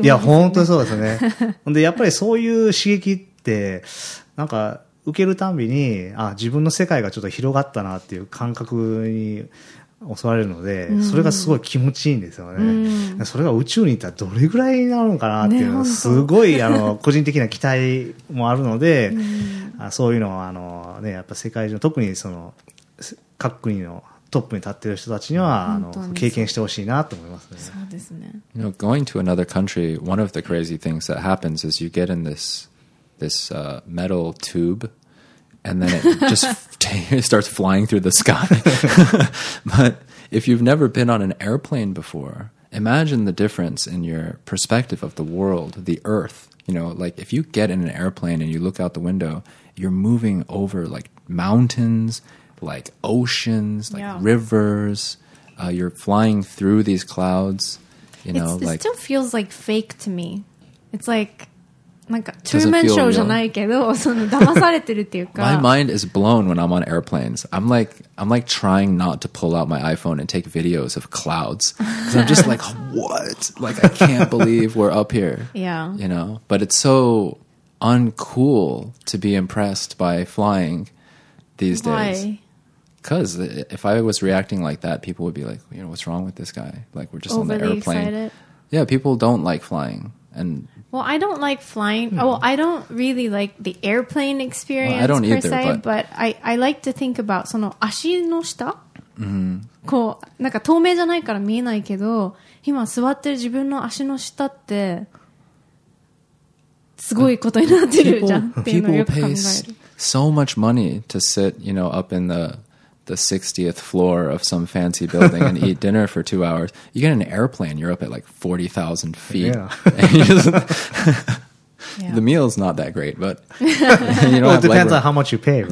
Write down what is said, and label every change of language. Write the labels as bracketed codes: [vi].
[ja] ね、いや本当にそうですね。でやっぱりそういう刺激ってでなんか受けるたびに、あ、自分の世界がちょっと広がったなっていう感覚に襲われるので、それがすごい気持ちいいんですよね。それが宇宙に行ったらどれぐらいになるのかなっていうのは、すごい個人的な期待もあるので、そういうのはね、やっぱ世界中、特にその各国のトップに立っている人たちには経験してほしいなと思いますね。そうですね。 [en] You know, going to another country, one of the crazy things that happens is you get in this metal tube, and then it just starts flying through the sky. But if you've never been on an airplane before, imagine the difference in your perspective of the world, the earth. You know, like if you get in an airplane and you look out the window, you're moving over like mountains, like oceans, like rivers. You're flying through these clouds, you know. It still feels like fake to me. It's like... [ja] なんかトゥーメンショーじゃないけど、その騙されてるっていうか。 [en] My mind is blown when I'm on airplanes. I'm like trying not to pull out my iPhone and take videos of clouds. I'm just like, what? Like, I can't believe we're up here. Yeah. You know? But it's so uncool to be impressed by flying these days. Why? Because if I was reacting like that, people would be like, you know, what's wrong with this guy? Like, we're just on the airplane. Excited. Yeah, people don't like flying. And... Well, I don't like flying. Well, I don't really like the airplane experience, well, I don't per either, se, but I like to think about [ja] その足の下、 mm-hmm. こう、なんか透明じゃないから見えないけど、今座ってる自分の足の下ってすごいことになってるじゃんっていうのをよく考える。 [en] People pay so much money to sit, you know, up in the 60th floor of some fancy building and eat dinner for 2 hours. You get an airplane, you're up at like 40,000 feet. Yeah. Yeah. The meal's not that great, but you know, well, it depends on how much you pay, right?